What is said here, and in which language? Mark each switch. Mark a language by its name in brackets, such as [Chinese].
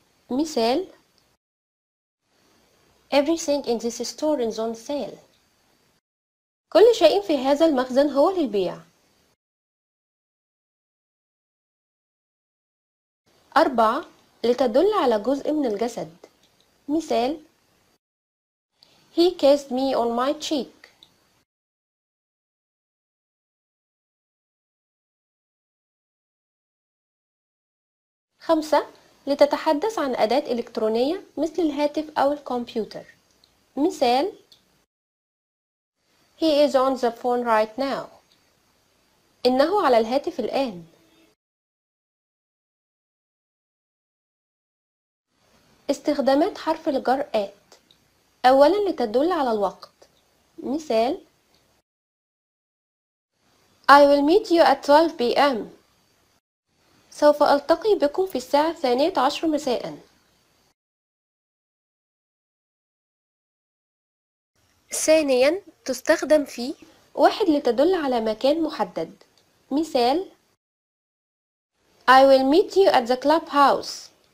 [English] مثال: Everything in this store is on sale. [Arabic] كل شيء في هذا المخزن هو للبيع. أربعة: لتدل على جزء من الجسد. [English] مثال: He kissed me on my cheek. [Arabic] خمسة: لتتحدث عن أداة إلكترونية مثل الهاتف أو الكمبيوتر. [English] مثال: He is on the phone right now. [Arabic] إنه على الهاتف الآن. استخدامات حرف الجر آت: أولاً لتدل على الوقت. [English] مثال: I will meet you at 12 p.m. [Arabic] سوف ألتقي بكم في الساعة 12 مساءً. ثانياً تستخدم في: واحد لتدل على مكان محدد. [English] مثال: I will meet you at the clubhouse.